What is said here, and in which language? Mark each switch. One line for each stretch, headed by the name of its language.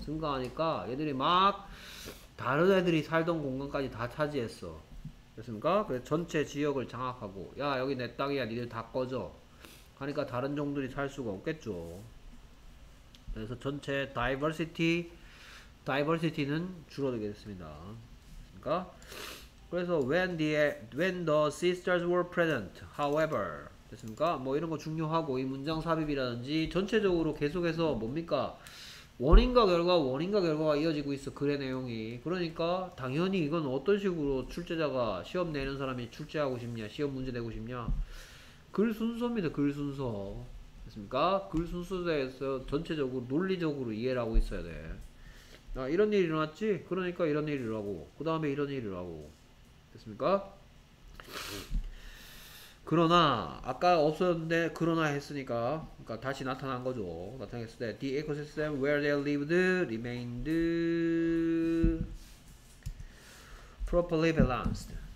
Korean: 증가하니까 얘들이 막 다른 애들이 살던 공간까지 다 차지했어. 됐습니까? 그래서 전체 지역을 장악하고 야 여기 내 땅이야 니들 다 꺼져 하니까 다른 종들이 살 수가 없겠죠. 그래서 전체 다이버시티는 줄어들게 됐습니다. 됐습니까? 그래서
English: when the sisters were present, however,
Korean: 됐습니까? 뭐 이런 거 중요하고 이 문장 삽입이라든지 전체적으로 계속해서 뭡니까? 원인과 결과가 이어지고 있어. 글의 내용이. 그러니까 당연히 이건 어떤 식으로 출제자가 시험 내는 사람이 출제하고 싶냐, 시험 문제 내고 싶냐? 글 순서입니다. 글 순서. 됐습니까? 글 순서에 대해서 전체적으로 논리적으로 이해를 하고 있어야 돼. 아, 이런 일이 일어났지? 그러니까 이런 일이 일어나고, 그 다음에 이런 일이 일어나고. 됐습니까? 그러나, 아까 없었는데, 그러나 했으니까, 그러니까 다시 나타난 거죠. 나타났을 때,
English: the ecosystem where they lived remained properly balanced.